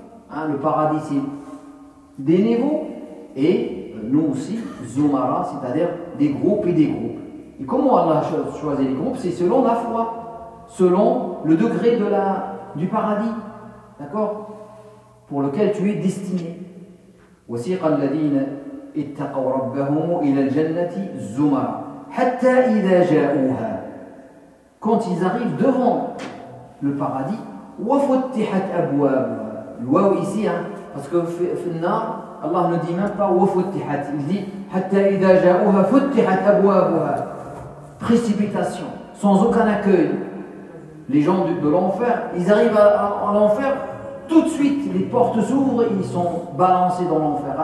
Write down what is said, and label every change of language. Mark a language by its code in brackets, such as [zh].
[fr] Hein, le paradis, c'est des niveaux, et nous aussi, Zumara, c'est-à-dire des groupes et des groupes. Et comment Allah choisit les groupes? C'est selon la foi, selon le degré de la, du paradis, d'accord, pour lequel tu es destiné. [ar] وسيق الذين اتقوا ربهم الى الجنه زمر حتى اذا جاءوها. [fr] Quand ils arrivent devant le paradis, [ar] وفتحت ابوابها. [fr] Le waw ici, hein, parce que النار, Allah ne dit même pas وفتحت, il dit [ar] حتى اذا جاءوها فتحت ابوابها. [fr] Précipitation, sans aucun accueil. Les gens de l'enfer, ils arrivent à l'enfer, tout de suite les portes s'ouvrent et ils sont balancés dans l'enfer.